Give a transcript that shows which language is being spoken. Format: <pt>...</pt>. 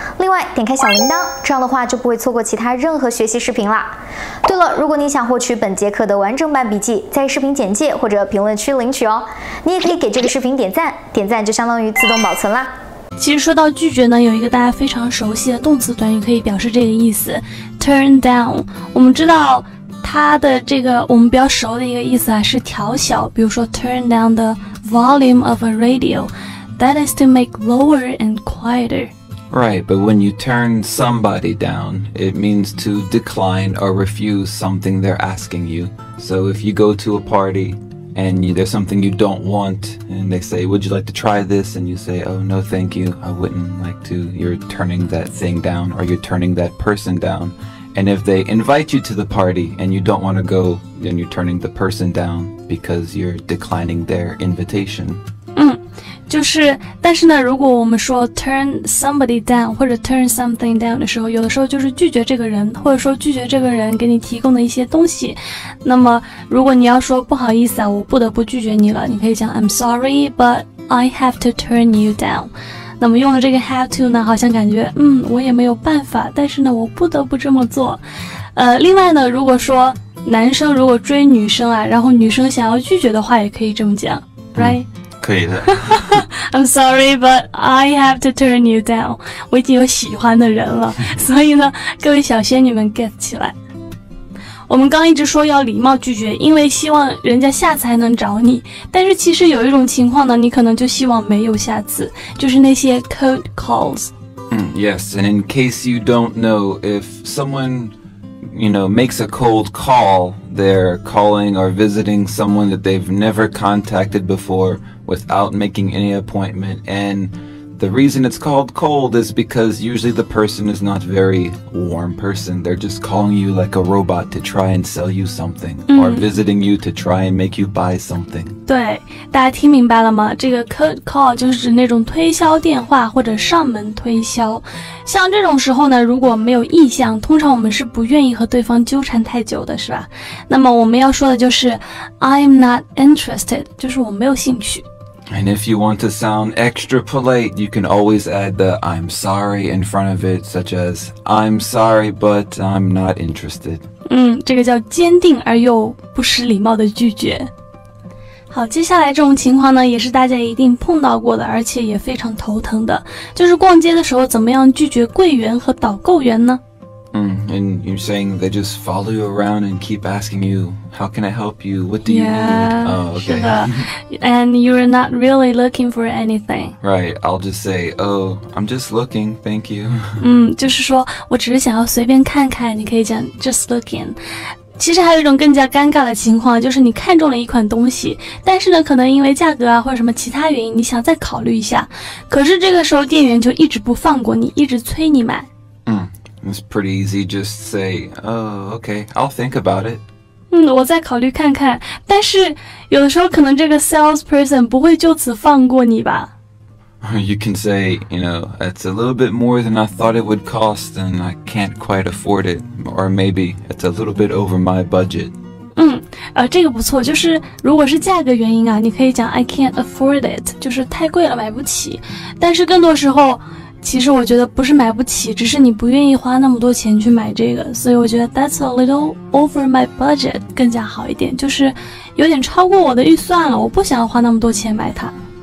<zh>另外点开小铃铛，这样的话就不会错过其他任何学习视频啦。对了，如果你想获取本节课的完整版笔记，在视频简介或者评论区领取哦。你也可以给这个视频点赞，点赞就相当于自动保存啦。其实说到拒绝呢，有一个大家非常熟悉的动词短语可以表示这个意思， turn down。我们知道它的这个我们比较熟的一个意思啊，是调小，比如说</zh> <en>turn down the volume of a radio, that is to make lower and quieter. Right, but when you turn somebody down, it means to decline or refuse something they're asking you. So if you go to a partyAnd there's something you don't want, and they say, would you like to try this? And you say, oh, no, thank you, I wouldn't like to. You're turning that thing down, or you're turning that person down. And if they invite you to the party and you don't want to go, then you're turning the person down because you're declining their invitation.</en> <zh>就是但是呢如果我们说</zh> <en>turn somebody down</en> <zh>或者</zh> <en>turn something down</en> <zh>的时候，有的时候就是拒绝这个人，或者说拒绝这个人给你提供的一些东西。那么如果你要说不好意思啊，我不得不拒绝你了，你可以讲</zh> <en>I'm sorry but I have to turn you down。</en> <zh>那么用了这个</zh> <en>have to</en> <zh>呢，好像感觉我也没有办法，但是呢我不得不这么做。另外呢，如果说男生如果追女生啊，然后女生想要拒绝的话也可以这么讲，</zh> <en>right?</en> <zh>可以的。</zh> <en>I'm sorry, but I have to turn you down.</en> <zh>我已经有喜欢的人了，所以呢，各位小仙女们 get 起来。我们刚一直说要礼貌拒绝，因为希望人家下次还能找你。但是其实有一种情况呢，你可能就希望没有下次，就是那些 cold calls.</zh> <en>Yes, and in case you don't know, if someone, you know, makes a cold call, they're calling or visiting someone that they've never contacted before. Without making any appointment, and the reason it's called cold is because usually the person is not very warm person. They're just calling you like a robot to try and sell you something, or visiting you to try and make you buy something.</en> <zh>对，大家听明白了吗？这个 cold call 就是指那种推销电话或者上门推销。像这种时候呢，如果没有意向，通常我们是不愿意和对方纠缠太久的，是吧？那么我们要说的就是</zh> <en>I'm not interested,</en> <zh>就是我没有兴趣。</zh> <en>And if you want to sound extra polite, you can always add the I'm sorry in front of it, such as I'm sorry, but I'm not interested.</en> <zh>这个叫坚定而又不失礼貌的拒绝。好，接下来这种情况呢，也是大家一定碰到过的，而且也非常头疼的，就是逛街的时候怎么样拒绝柜员和导购员呢？</zh> <en>And you're saying they just follow you around and keep asking you, how can I help you? What do you need? Oh, okay. And you're not really looking for anything. Right, I'll just say, oh, I'm just looking, thank you.</en> <zh>就是说我只是想要随便看看，你可以讲</zh> <en>just looking.</en> <zh>其实还有一种更加尴尬的情况，就是你看中了一款东西，但是呢可能因为价格啊或者什么其他原因你想再考虑一下，可是这个时候店员就一直不放过你，一直催你买。</zh> <en>It's pretty easy, just say, oh, okay, I'll think about it.</en> <zh>我再考虑看看，但是有的时候可能这个 salesperson 不会就此放过你吧。</zh> <en>You can say, you know, it's a little bit more than I thought it would cost, and I can't quite afford it. Or maybe it's a little bit over my budget.</en> <zh>这个不错，就是如果是价格原因啊，你可以讲</zh> <en>I can't afford it,</en> <zh>就是太贵了，买不起。但是更多时候，其实我觉得不是买不起，只是你不愿意花那么多钱去买这个。所以我觉得</zh> <en>that's a little over my budget</en> <zh>更加好一点，就是有点超过我的预算了，我不想要花那么多钱买它。</zh>